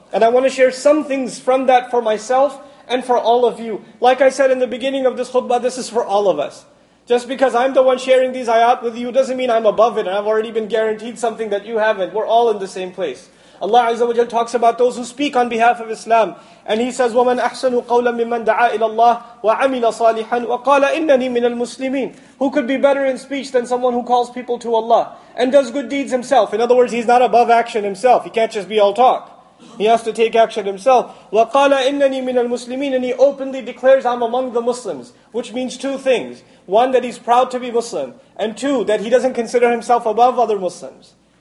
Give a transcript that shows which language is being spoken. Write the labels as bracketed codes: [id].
[en] And I want to share some things from that for myself and for all of you. Like I said in the beginning of this khutbah, this is for all of us. Just because I'm the one sharing these ayat with you doesn't mean I'm above it and I've already been guaranteed something that you haven't. We're all in the same place. Allah Azza wa Jalla talks about those who speak on behalf of Islam. And He says, [ar] وَمَنْ أَحْسَنُ قَوْلًا مِمَّنْ دَعَىٰ إِلَى اللَّهِ وَعَمِلَ صَالِحًا وَقَالَ إِنَّنِي مِنَ الْمُسْلِمِينَ. [en] Who could be better in speech than someone who calls people to Allah and does good deeds himself? In other words, he's not above action himself. He can't just be all talk. He has to take action himself. [ar] وَقَالَ إِنَّنِي مِنَ الْمُسْلِمِينَ. [en] And he openly declares, I'm among the Muslims. Which means two things. One, that he's proud to be Muslim. And two, that he doesn't consider himself above other Muslims.